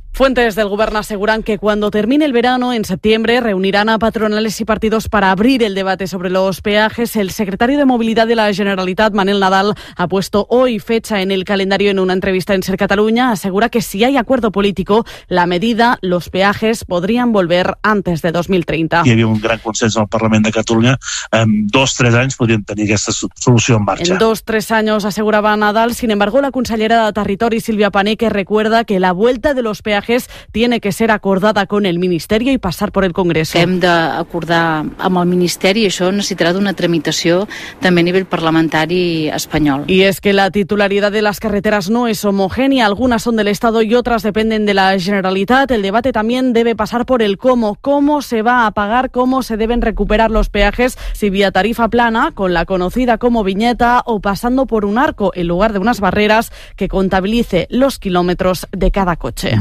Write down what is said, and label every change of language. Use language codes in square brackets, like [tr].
[es] Fuentes del gobierno aseguran que cuando termine el verano, en septiembre, reunirán a patronales y partidos para abrir el debate sobre los peajes. El secretario de Movilidad de la Generalitat, Manel Nadal, ha puesto hoy fecha en el calendario en una entrevista en SER Cataluña. Asegura que si hay acuerdo político, la medida, los peajes, podrían volver antes de 2030. [ca] Hi havia un gran consens al Parlament de Catalunya. En 2-3 anys podrien tenir aquesta solució en marxa. En 2-3 anys, asegurava Nadal. [es] Sin embargo, la consellera de Territori, Silvia Paneque, recuerda que la vuelta de los peajes tiene que ser acordada con el Ministerio y pasar por el Congreso. [ca] Hem d'acordar amb el Ministeri i això necessitarà d'una tramitació també a nivell parlamentari espanyol. [es] Y es que la titularidad de las carreteras no es homogénea. Algunas son del Estado y otras dependen de la Generalitat. El debate también debe pasar por el cómo. ¿Cómo se va a pagar? ¿Cómo se deben recuperar los peajes? Si vía tarifa plana, con la conocida como viñeta, o pasando por un arco en lugar de unas barreras que contabilice los kilómetros de cada coche.